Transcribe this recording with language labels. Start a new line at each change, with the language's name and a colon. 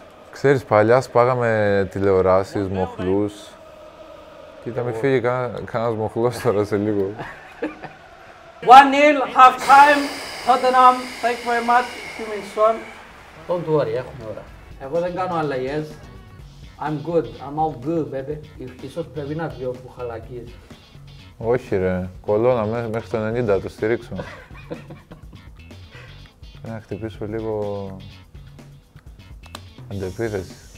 Greek: Ξέρεις, παλιά σπάγαμε τηλεοράσεις, μοχλούς. Κοίτα, μην φύγει κανένας μοχλός τώρα σε λίγο.
English: 1-0, half time, Tottenham, thank you very much, Human Son. Don't worry,
Greek: έχουμε ώρα. Εγώ δεν κάνω αλλαγές.
English: I'm good, I'm all good, baby.
Greek: Ίσως πρέπει να βγει ο Μπουχαλάκης. Όχι ρε, κολώνα μέχρι το 90, το στηρίξω. Να χτυπήσω λίγο... αντεπίθεση.